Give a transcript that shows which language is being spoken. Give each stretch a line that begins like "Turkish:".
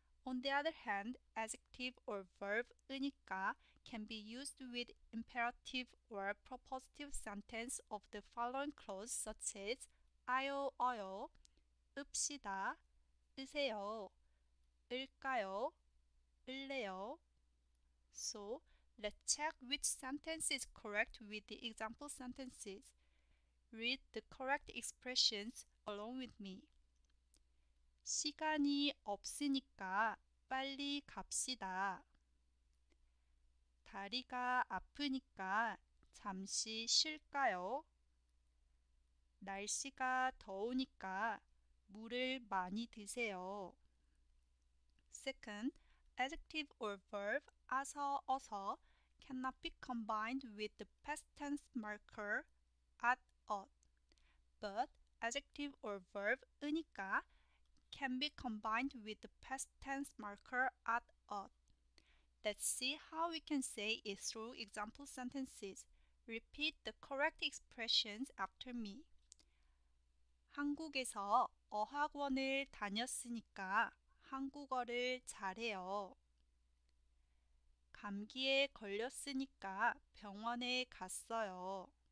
English: On the other hand, adjective or verb 으니까 can be used with imperative or propositive sentence of the following clause such as 아요, 어요, 읍시다, 으세요, 을까요, 을래요. So, let's check which sentence is correct with the example sentences. Read the correct expressions along with me.
Korean: 시간이 없으니까 빨리 갑시다. 다리가 아프니까 잠시 쉴까요? 날씨가 더우니까 물을 많이 드세요.
English: Second, adjective or verb 아서, 어서 cannot be combined with the past tense marker 앗, 엇. But adjective or verb 으니까 can be combined with the past tense marker 앗, 엇. Let's see how we can say it through example sentences. Repeat the correct expressions after me.
Korean: 한국에서 어학원을 다녔으니까 한국어를 잘해요. 감기에 걸렸으니까 병원에 갔어요.